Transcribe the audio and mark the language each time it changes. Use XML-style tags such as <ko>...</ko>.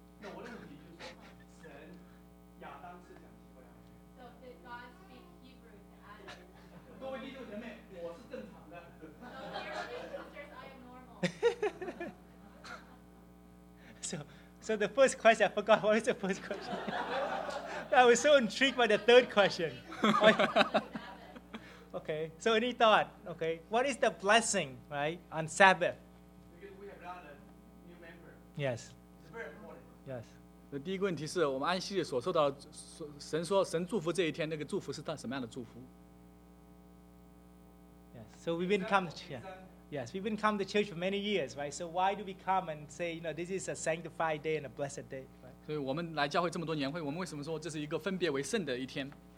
<zh>那我的问题就是神亚当是讲希伯来文。</zh> <en>So did God speak Hebrew to Adam?</en> <zh>各位弟兄姐妹，我是正常的。</zh> <en>So dear brothers and sisters, I am normal. So the first question, I forgot, what was the first question? I was so intrigued by the third question. Okay, so any thought, okay? What is the blessing, right, on Sabbath? Because we have got a new member. Yes. It's very important. Yes.</en> <zh>那第一个问题是我们安息日所受到，神说神祝福这一天，那个祝福是什么样的祝福？</zh> <en>Yes, so we've been coming to you. Yes, we've been coming to church for many years, right? So why do we come and say, you know, this is a sanctified day and a blessed day, right?</en> <zh>所以我们来教会这么多年会，我们为什么说这是一个分别为圣的一天？</zh>